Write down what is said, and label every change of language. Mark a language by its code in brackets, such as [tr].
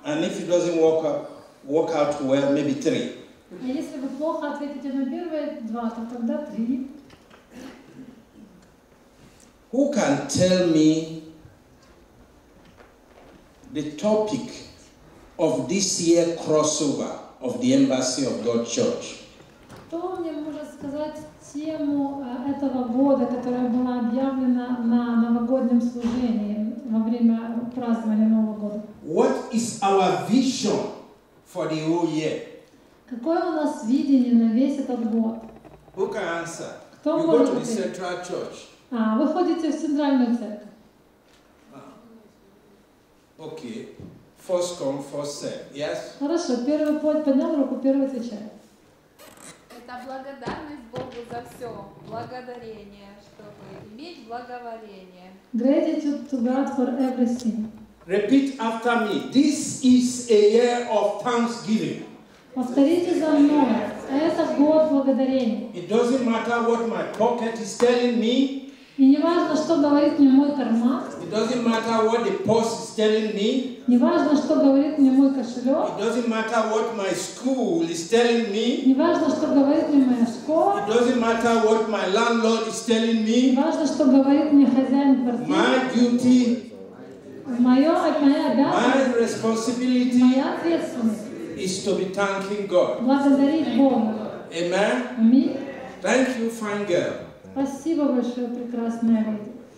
[en] And if it doesn't work out well, maybe three. [ru] А если вы плохо ответите на первые два, то тогда три. [en] Who can tell me the topic of this year crossover of the Embassy of God Church? [ru] Кто мне может сказать тему этого года, которая была объявлена на новогоднем служении во время празднования Нового года? [en] What is our vision for the whole year? [ru] Какое у нас видение на весь этот год? [en] Who can answer? [ru] Кто [en] you [ru] может [en] go to the Central Church. [ru] А, вы ходите в Центральную Церковь. [en] Okay. First come, first serve. Yes? [ru] Хорошо, первый поднял руку, первый отвечает. Это благодарность Богу за все. Благодарение, чтобы иметь благоволение. [en] Gratitude to God for everything. Repeat after me. This is a year of thanksgiving. [ru] Повторите за мной. Это год благодарения. [en] It doesn't matter what my pocket is telling me. [ru] И не важно, что говорит мне мой карман. [en] It doesn't matter what the post is telling me. [ru] Не важно, что говорит мне мой кошелек. [en] It doesn't matter what my school is telling me. [ru] Не важно, что говорит мне моя школа. [en] It doesn't matter what my landlord is telling me. [ru] Не важно, что говорит мне хозяин квартиры. [en] My duty. [ru] Моя обязанность. [en] My responsibility. [ru] Моя ответственность. [en] Is to be thanking God. [ru] Благодарить Бога. [en] Amen. [ru] Аминь. [en] Thank you, fine girl. [ru] Спасибо большое, прекрасная леди.